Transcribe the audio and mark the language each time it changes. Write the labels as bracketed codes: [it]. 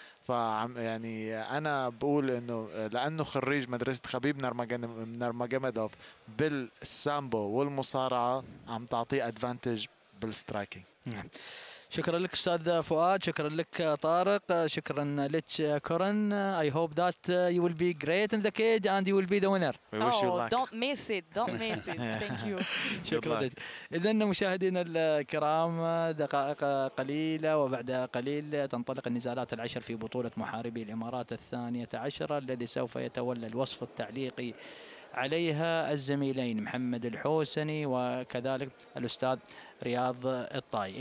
[ar] فعم يعني انا بقول انه لانه خريج مدرسه خبيب نرماجاميدوف بالسامبو والمصارعه عم تعطيه ادفانتج بالسترايكينج. نعم. شكرا لك استاذ فؤاد، شكرا لك طارق، شكرا لك كورن. [en] I hope that you will be great in the cage and you will be the winner. We wish you luck. Don't miss it. Don't miss it. Thank you. [ar] شكرا لك. إذن مشاهدينا الكرام، دقائق قليلة وبعد قليل تنطلق النزالات العشر في بطولة محاربي الإمارات 12 الذي سوف يتولى الوصف التعليقي عليها الزميلين محمد الحوسني وكذلك الأستاذ رياض الطاي.